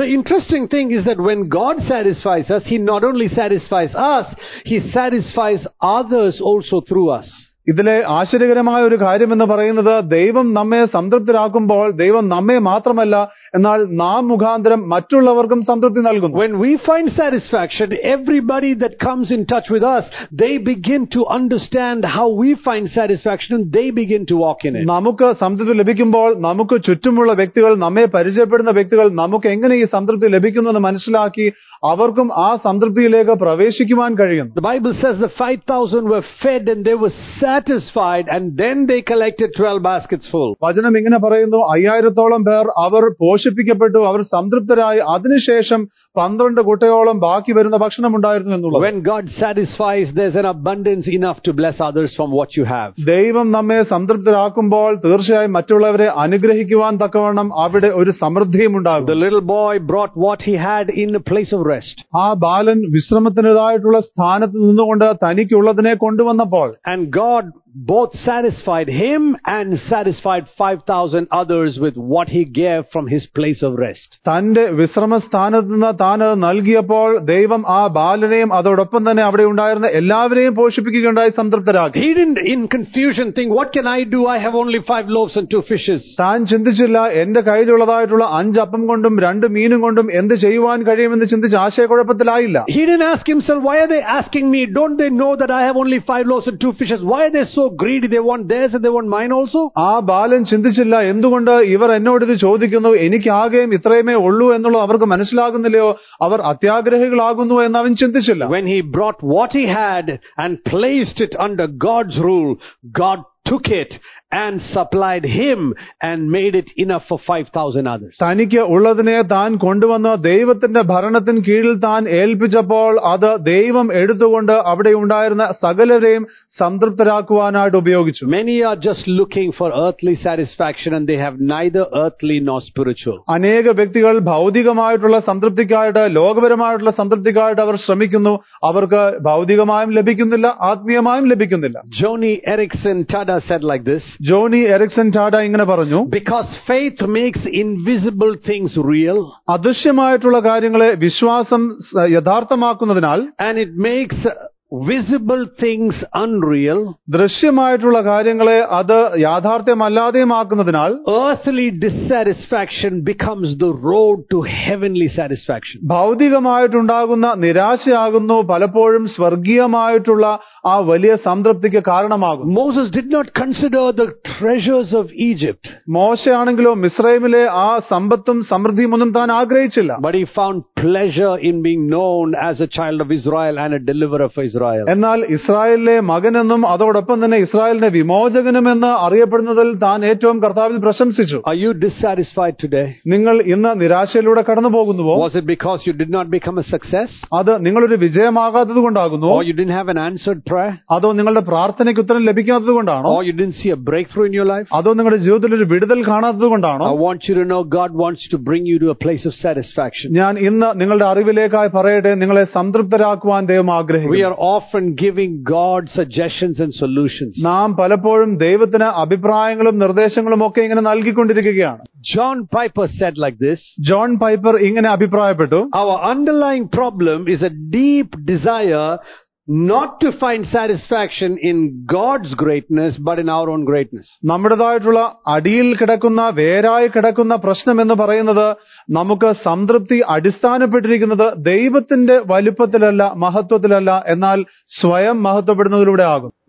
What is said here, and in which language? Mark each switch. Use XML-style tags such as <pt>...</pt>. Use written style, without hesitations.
<en>The interesting thing is that when God satisfies us, he not only satisfies us, he satisfies others also through us.</en> <ml>ഇതിലെ ആശ്ചര്യകരമായ ഒരു കാര്യം എന്ന് പറയുന്നത്, ദൈവം നമ്മെ സംതൃപ്തരാക്കുമ്പോൾ ദൈവം നമ്മെ മാത്രമല്ല, എന്നാൽ നാം മുഖാന്തരം മറ്റുള്ളവർക്കും സംതൃപ്തി നൽകുന്നു.</ml> <en>When we find satisfaction, everybody that comes in touch with us, they begin to understand how we find satisfaction and they begin to walk in it.</en> <ml>നമുക്ക് സംതൃപ്തി ലഭിക്കുമ്പോൾ നമുക്ക് ചുറ്റുമുള്ള വ്യക്തികൾ, നമ്മെ പരിചയപ്പെടുന്ന വ്യക്തികൾ നമുക്ക് എങ്ങനെ ഈ സംതൃപ്തി ലഭിക്കുന്നു എന്ന് മനസ്സിലാക്കി അവർക്കും ആ സംതൃപ്തിയിലേക്ക് പ്രവേശിക്കുവാൻ കഴിയും.</ml> <en>The Bible says the 5,000 were fed and they were satisfied and then they collected 12 baskets full.</en> <ml>വചനം ഇങ്ങനെ പറയുന്നു, 5,000 പേർ അവർ പോഷിപ്പിക്കപ്പെട്ടു, അവർ സംതൃപ്തരായി, അതിനുശേഷം 12 കുട്ടയോളം ബാക്കി വരുന്ന ഭക്ഷണം ഉണ്ടായിരുന്നു എന്നുള്ളത്.</ml> <en>When God satisfies, there's an abundance enough to bless others from what you have.</en> <ml>ദൈവം നമ്മെ സംതൃപ്തരാക്കുമ്പോൾ തീർച്ചയായും മറ്റുള്ളവരെ അനുഗ്രഹിക്കുവാൻ തക്കവണ്ണം അവിടെ ഒരു സമൃദ്ധിയും ഉണ്ടാകും.</ml> <en>The little boy brought what he had in a place of rest.</en> <ml>ആ ബാലൻ വിശ്രമത്തിനായിട്ടുള്ള സ്ഥാനത്ത് നിന്നുകൊണ്ട് തനിക്കുള്ളതിനെ കൊണ്ടുവന്നപ്പോൾ</ml> <en>and God both satisfied him and satisfied 5,000 others with what he gave from his place of rest.</en> <ml>തന്റെ വിശ്രമസ്ഥാനത്തു നിന്ന് താൻ അത് നൽകിയപ്പോൾ ദൈവം ആ ബാലനെയും അതോടൊപ്പം തന്നെ അവിടെ ഉണ്ടായിരുന്ന എല്ലാവരെയും പോഷിപ്പിക്കുകയുണ്ടായി, സംതൃപ്തരാക്കി.</ml> <en>He didn't in confusion think, what can I do? I have only 5 loaves and 2 fishes.</en> <ml>താൻ ചിന്തിച്ചില്ല, എന്റെ കയ്യിലുള്ളതായിട്ടുള്ള 5 അപ്പം കൊണ്ടും 2 മീനും കൊണ്ടും എന്ത് ചെയ്യുവാൻ കഴിയുമെന്ന് ചിന്തിച്ച് ആശയക്കുഴപ്പത്തിലായില്ല.</ml> <en>He didn't ask himself, why are they asking me? Don't they know that I have only 5 loaves and 2 fishes? Why are they so greedy, they want theirs and they want mine also.</en> <ml>ആ ബാലൻ ചിന്തിച്ചില്ല, എന്തുകൊണ്ട് ഇവർ എന്നോട് ഇത് ചോദിക്കുന്നു, എനിക്കാകെയും ഇത്രയുമേ ഉള്ളൂ എന്നുള്ളത് അവർക്ക് മനസ്സിലാകുന്നില്ലയോ, അവർ അത്യാഗ്രഹികളാകുന്നു എന്ന് അവൻ ചിന്തിച്ചില്ല.</ml> <en>When he brought what he had and placed it under God's rule, God took it and supplied him and made it enough for 5,000 others.</en> <ml>തനിക്ക് ഉള്ളതിനെ താൻ കൊണ്ടുവന്ന ദൈവത്തിന്റെ ഭരണത്തിൻ കീഴിൽ താൻ ഏൽപ്പിച്ചപ്പോൾ അത് ദൈവം എടുത്തുകൊണ്ട് അവിടെ ഉണ്ടായിരുന്ന സകലരെയും സംതൃപ്തരാക്കുവാനായിട്ട് ഉപയോഗിച്ചു.</ml> <en>Many are just looking for earthly satisfaction and they have neither earthly nor spiritual.</en> <ml>അനേക വ്യക്തികൾ ഭൗതികമായിട്ടുള്ള സംതൃപ്തിക്കായിട്ട്, ലോകപരമായിട്ടുള്ള സംതൃപ്തിക്കായിട്ട് അവർ ശ്രമിക്കുന്നു, അവർക്ക് ഭൗതികമായും ലഭിക്കുന്നില്ല, ആത്മീയമായും ലഭിക്കുന്നില്ല.</ml> <en>Johnny Erickson Tada said like this.</en> <ml>Johnny Ericsson ടാഡ ഇങ്ങനെ പറഞ്ഞു,</ml> <en>because faith makes invisible things real,</en> <ml>അദൃശ്യമായിട്ടുള്ള കാര്യങ്ങളെ വിശ്വാസം യഥാർത്ഥമാക്കുന്നതിനാൽ,</ml> <en>and it makes visible things unreal,</en> <ml>ദൃശ്യമായിട്ടുള്ള കാര്യങ്ങളെ അത് യാഥാർത്ഥ്യമല്ലാതെയുമാക്കുന്നതിനാൽ,</ml> <en>earthly dissatisfaction becomes the road to heavenly satisfaction.</en> <ml>ഭൗതികമായിട്ടുണ്ടാകുന്ന നിരാശയാകുന്നു പലപ്പോഴും സ്വർഗീയമായിട്ടുള്ള ആ വലിയ സംതൃപ്തിക്ക് കാരണമാകുന്നു.</ml> <en>Moses did not consider the treasures of Egypt.</en> <ml>മോശയാണെങ്കിലോ മിസ്രയീമിലെ ആ സമ്പത്തും സമൃദ്ധിയും ഒന്നും താൻ ആഗ്രഹിച്ചില്ല.</ml> <en>But he found pleasure in being known as a child of Israel and a deliverer of Israel.</en> <ml>എന്നാൽ ഇസ്രായേലിലെ മകനെന്നും അതോടൊപ്പം തന്നെ ഇസ്രായേലിന്റെ വിമോചകനുമെന്ന് അറിയപ്പെടുന്നതിൽ താൻ ഏറ്റവും കർത്താവിൽ പ്രശംസിച്ചു.</ml> <en>Are you dissatisfied today?</en> <ml>നിങ്ങൾ ഇന്ന് നിരാശയിലൂടെ കടന്നു പോകുന്നുവോ?</ml> <en>Was it because you did not become a success?</en> <ml>അത് നിങ്ങളൊരു വിജയമാകാത്തത് കൊണ്ടാകുന്നു?</ml> <en>Or you didn't have an answered prayer?</en> <ml>അതോ നിങ്ങളുടെ പ്രാർത്ഥനയ്ക്ക് ഉത്തരം ലഭിക്കാത്തത് കൊണ്ടാണോ?</ml> <en>Or you didn't see a breakthrough in your life?</en> <ml>അതോ നിങ്ങളുടെ ജീവിതത്തിൽ ഒരു വിടുതൽ കാണാത്തത് കൊണ്ടാണോ?</ml> <en>I want you to know God wants to bring you to a place of satisfaction.</en> <ml>ഞാൻ ഇന്ന് നിങ്ങളുടെ അറിവിലേക്കായി പറയട്ടെ, നിങ്ങളെ സംതൃപ്തരാക്കുവാൻ ദൈവം ആഗ്രഹിക്കുന്നു.</ml> <en>We are often giving God suggestions and solutions.</en> <ml>നാം പലപ്പോഴും ദൈവത്തിനെ അഭിപ്രായങ്ങളും നിർദ്ദേശങ്ങളും ഒക്കെ ഇങ്ങനെ നൽകിക്കൊണ്ടിരിക്കുകയാണ്.</ml> <en>John Piper said like this.</en> <ml>John Piper ഇങ്ങനെ അഭിപ്രായപ്പെട്ടു.</ml> <en>Our underlying problem is a deep desire not to find satisfaction in God's greatness but in our own greatness.</en> <ml>നമ്മുടേതായിട്ടുള്ള അടിയിൽ കിടക്കുന്ന, വേരായി കിടക്കുന്ന പ്രശ്നം എന്ന് പറയുന്നത് നമുക്ക് സംതൃപ്തി അടിസ്ഥാനപ്പെട്ടിരിക്കുന്നത് ദൈവത്തിന്റെ വലിപ്പത്തിലല്ല, മഹത്വത്തിലല്ല, എന്നാൽ സ്വയം മഹത്വപ്പെടുന്നതിലൂടെ ആകും.</ml>